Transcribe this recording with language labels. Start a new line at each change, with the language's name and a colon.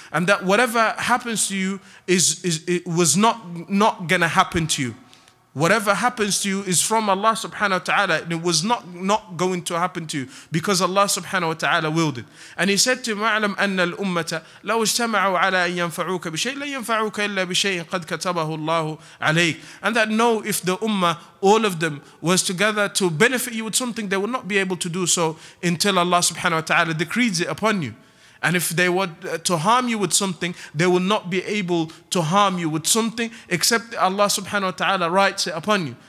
English: And that whatever happens to you was not going to happen to you. Whatever happens to you is from Allah subhanahu wa ta'ala, and it was not going to happen to you because Allah subhanahu wa ta'ala willed it. And he said to him,
Arabic: وَعْلَمْ أَنَّ الْأُمَّةَ لَوْ اجْتَمَعُوا عَلَىٰ أَنْ يَنْفَعُوكَ بِشَيْءٍ لَنْ يَنْفَعُوكَ إِلَّا بِشَيْءٍ قَدْ كَتَبَهُ اللَّهُ عَلَيْكَ.
English: And that know if the ummah, all of them, was together to benefit you with something, they would not be able to do so until Allah subhanahu wa ta'ala decrees it upon you. And if they were to harm you with something, they will not be able to harm you with something except Allah subhanahu wa ta'ala writes it upon you.